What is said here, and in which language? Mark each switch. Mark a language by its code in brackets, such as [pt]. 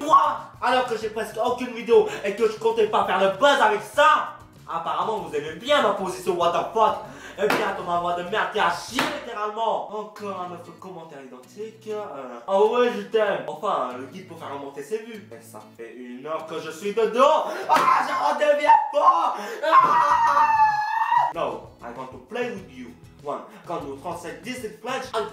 [fr] Toi, alors que j'ai presque aucune vidéo et que je comptais pas faire le buzz avec ça. Apparemment, vous aimez bien ma position, [en] what the fuck. [fr] Eh bien, ton ma voix de merde, t'es à chier littéralement. Encore un autre commentaire identique. Oh ouais, je t'aime. Enfin, le guide pour faire remonter ses vues. Mais ça fait une heure que je suis dedans. Ah, je redeviens fort. [en] No, I want to play with you. One, [fr] quand nous français disent French.